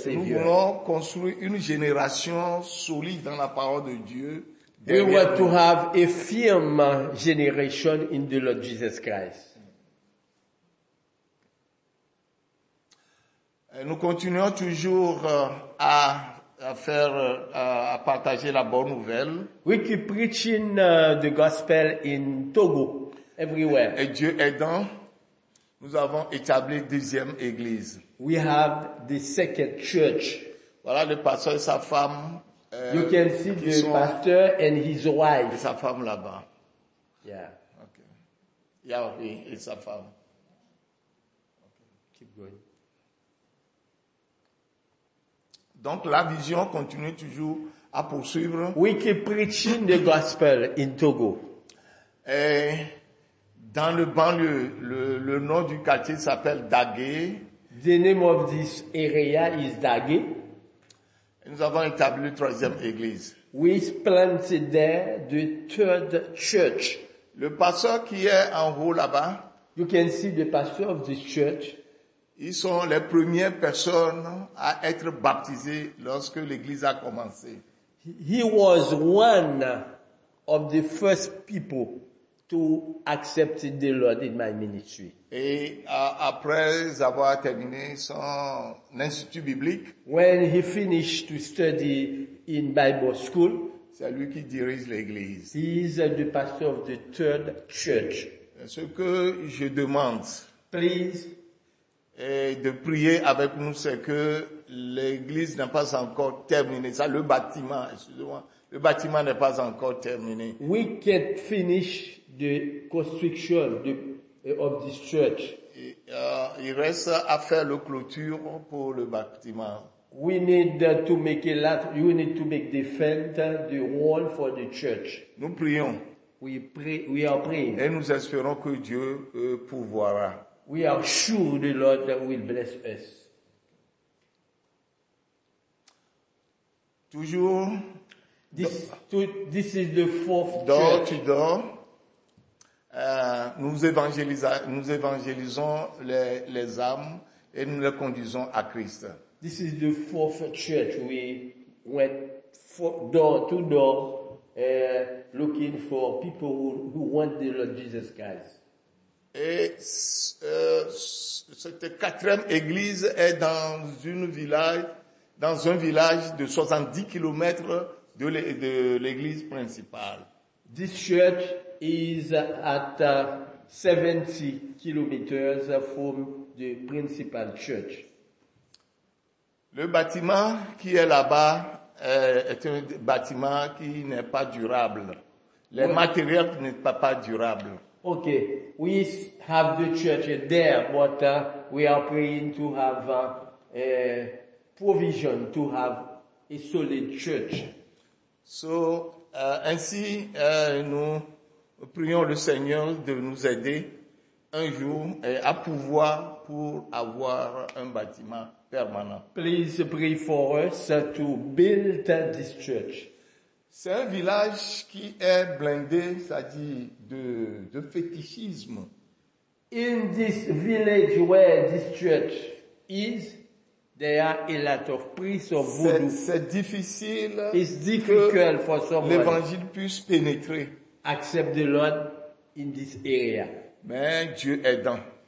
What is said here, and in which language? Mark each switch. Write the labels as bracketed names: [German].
[French] que nous voulons construire une génération solide dans la parole de Dieu. [English] We want to have a firm generation in the Lord Jesus Christ. [French] Et nous continuons toujours à partager la bonne nouvelle. [English] We keep preaching the gospel in Togo, everywhere. [French] Et Dieu aidant, nous avons établi deuxième église. [English] We have the second church. [French] Voilà le pasteur et sa femme. [English] You can see the pastor and his wife. [French] Et sa femme là-bas. [English] Yeah. Okay. Yeah, [French] oui, et sa femme. [English] Okay. Keep going. [French] Donc la vision continue toujours à poursuivre. [English] We keep preaching the gospel in Togo. [French] Et dans le banlieue, le nom du quartier s'appelle Dagué. [English] The name of this area is Dagué. [French] Nous avons établi la troisième église. [English] We planted there the third church. [French] Le pasteur qui est en haut là-bas. [English] You can see the pastor of this church. [French] Ils sont les premières personnes à être baptisées lorsque l'Église a commencé. [English] He was one of the first people to accept the Lord in my ministry. [French] Et après avoir terminé son institut biblique, [English] when he finished to study in Bible school, [French] c'est lui qui dirige l'Église. [English] He is the pastor of the third church. [French] Ce que je demande, [English] please, [French] et de prier avec nous, c'est que l'Église n'a pas encore terminé ça, le bâtiment, excusez-moi, le bâtiment n'est pas encore terminé. [English] We can't finish the construction of this church. [French] Et, il reste à faire le clôture pour le bâtiment. [English] We need to make a lot, you need to make the fence, the wall for the church. [French] Nous prions. [English] We are praying. [French] Et nous espérons que Dieu pourvoira. [English] We are sure the Lord will bless us. [French] Toujours. [English] This is the fourth church. Door to door. [French] Nous évangélisons les âmes et nous les conduisons à Christ. [English] This is the fourth church. We went door to door looking for people who want the Lord Jesus Christ. [French] Et cette quatrième église est dans un village de 70 kilomètres de l'église principale. [English] This church is at 70 kilometers from the principal church. [French] Le bâtiment qui est là-bas est un bâtiment qui n'est pas durable. Les matériels n'est pas durable. [English] Okay, we have the church there, but we are praying to have a provision to have a solid church. [French] So, ainsi, nous prions le Seigneur de nous aider un jour à pouvoir pour avoir un bâtiment permanent. [English] Please pray for us to build this church. [French] C'est un village qui est blindé, c'est-à-dire de fétichisme. [English] In this village where this church is, there are a lot of priests of voodoo. [French] C'est difficile. [English] It's difficult for someone. [French] L'évangile puisse pénétrer. [English] Accept the Lord in this area. [French] Mais Dieu aidant.